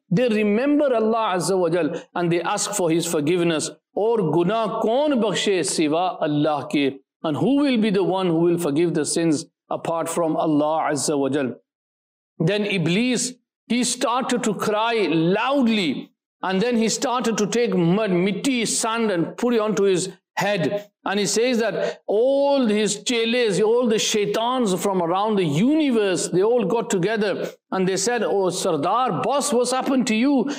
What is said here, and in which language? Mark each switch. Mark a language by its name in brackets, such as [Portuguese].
[English] They remember Allah عز و جل and they ask for His forgiveness. [Urdu] اور گناہ کون بخشے سوا اللہ کے. [English] And who will be the one who will forgive the sins apart from Allah Azza wa Jal? Then Iblis, he started to cry loudly. And then he started to take mud, mitti, sand and put it onto his head. And he says that all his cheles, all the shaitans from around the universe, they all got together and they said, oh Sardar, boss, what's happened to you?